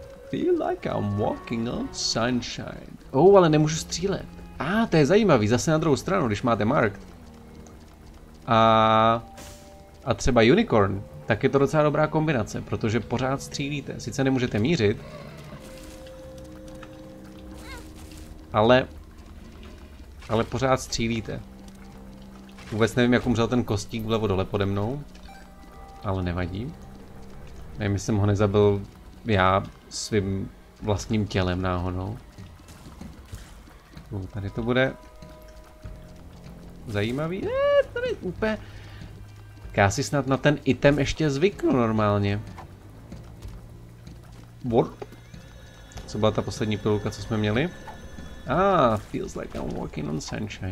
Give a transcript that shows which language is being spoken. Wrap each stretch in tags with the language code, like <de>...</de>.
<en>Feel like I'm walking on sunshine.</en> <cs>Oh, ale nemůžu střílet. To je zajímavý, zase na druhou stranu, když máte marked. A třeba unicorn, tak je to docela dobrá kombinace, protože pořád střílíte. Sice nemůžete mířit, ale pořád střílíte. Vůbec nevím, jak umřel ten kostík vlevo dole pode mnou, ale nevadí. Nevím, jestli jsem ho nezabil já svým vlastním tělem náhodou. Tady to bude zajímavý. Tady úplně... Já si snad na ten item ještě zvyknu normálně. Warp. Co byla ta poslední pilulka, co jsme měli?</cs> <en>Feels like I'm walking on sunshine.</en>